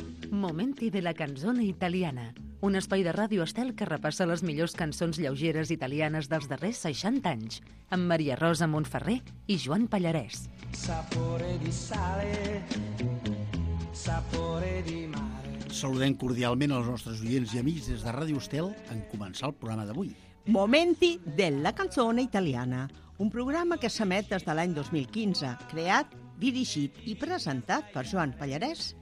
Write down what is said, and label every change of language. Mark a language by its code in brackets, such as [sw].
[it] Momenti della canzone italiana. [ca] Un espai de ràdio estel que repassa les millors cançons lleugeres italianes dels darrers 60 anys. Amb Maria Rosa Montferrer i Joan Pallarès. [it] Sapore di sale, sapore di mare. [ca] Saludem cordialment els nostres oients i amics des de Ràdio Estel en començar el programa d'avui. [it] Momenti della canzone italiana. [ca] Un programa que s'emet des de l'any 2015, creat, dirigit i presentat per Joan Pallarès